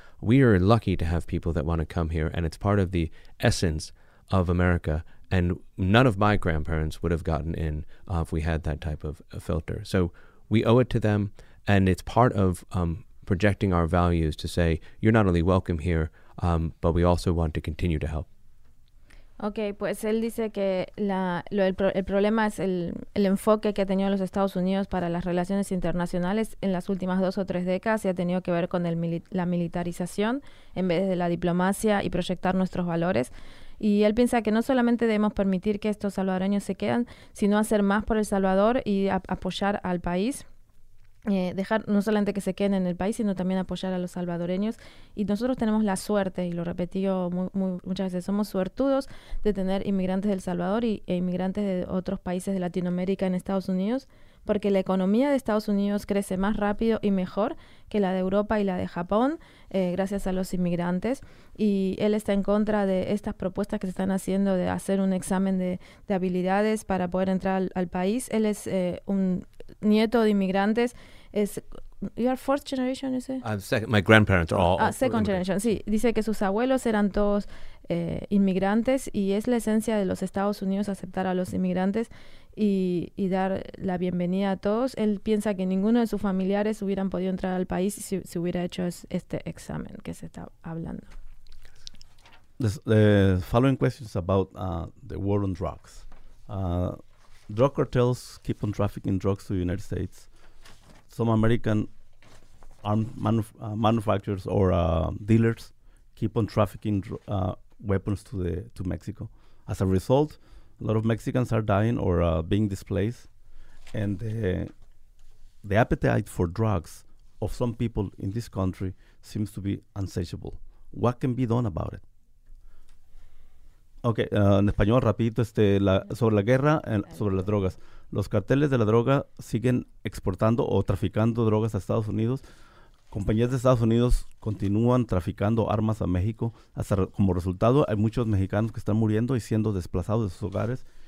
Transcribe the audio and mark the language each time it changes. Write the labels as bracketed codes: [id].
[en] We are lucky to have people that want to come here, and it's part of the essence of America. And none of my grandparents would have gotten in if we had that type of filter. So we owe it to them, and it's part of projecting our values to say, you're not only welcome here, but we also want to continue to help. [es] Okay, pues él dice que el problema es el enfoque que ha tenido los Estados Unidos para las relaciones internacionales en las últimas dos o tres décadas y ha tenido que ver con la militarización en vez de la diplomacia y proyectar nuestros valores. Y él piensa que no solamente debemos permitir que estos salvadoreños se quedan, sino hacer más por El Salvador y apoyar al país. Dejar no solamente que se queden en el país, sino también apoyar a los salvadoreños. Y nosotros tenemos la suerte, y lo repetí yo muchas veces, somos suertudos de tener inmigrantes del Salvador e inmigrantes de otros países de Latinoamérica en Estados Unidos, porque la economía de Estados Unidos crece más rápido y mejor que la de Europa y la de Japón, gracias a los inmigrantes. Y él está en contra de estas propuestas que se están haciendo de hacer un examen de habilidades para poder entrar al país. Él es un nieto de inmigrantes. [en] You are fourth generation, you say? My grandparents are all second generation. [es] Sí, dice que sus abuelos eran todos inmigrantes, y es la esencia de los Estados Unidos aceptar a los inmigrantes y dar la bienvenida a todos. Él piensa que ninguno de sus familiares hubieran podido entrar al país si hubiera hecho este examen que se está hablando. [en] the following questions about the war on drugs. Drug cartels keep on trafficking drugs to the United States. Some American armed manufacturers or dealers keep on trafficking weapons to Mexico. As a result, a lot of Mexicans are dying or being displaced, and the appetite for drugs of some people in this country seems to be insatiable. What can be done about it? [es] Okay, en español, rapidito, sobre la guerra, sobre las drogas. Los carteles de la droga siguen exportando o traficando drogas a Estados Unidos. Compañías de Estados Unidos continúan traficando armas a México. Hasta como resultado, hay muchos mexicanos que están muriendo y siendo desplazados de sus hogares.